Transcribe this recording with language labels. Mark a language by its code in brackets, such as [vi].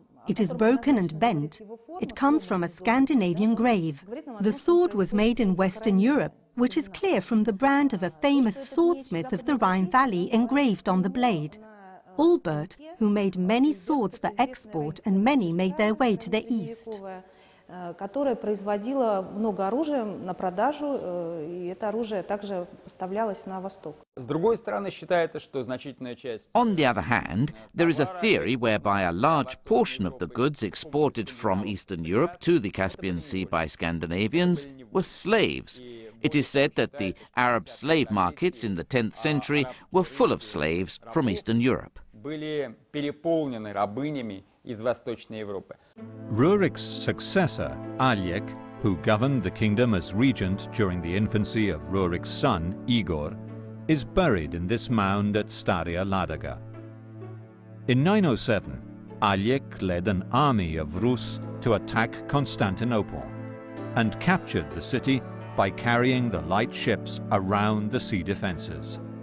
[en] It is broken and bent. It comes from a Scandinavian grave. The sword was made in Western Europe, which is clear from the brand of a famous swordsmith of the Rhine Valley engraved on the blade. Albert, who made many swords for export and many made their way to the East. [ru] Которая производила много оружия на продажу, и это оружие также поставлялось на восток. С другой стороны, считается, что значительная часть. [en] On the other hand, there is a theory whereby a large portion of the goods exported from Eastern Europe to the Caspian Sea by Scandinavians were slaves. It is said that the Arab slave markets in the 10th century were full of slaves from Eastern Europe. [ru] Были переполнены рабынями из Восточной Европы. [en] Rurik's successor, Aljek, who governed the kingdom as regent during the infancy of Rurik's son, Igor, is buried in this mound at Staria Ladoga. In 907, Aliek led an army of Rus to attack Constantinople and captured the city by carrying the light ships around the sea defenses.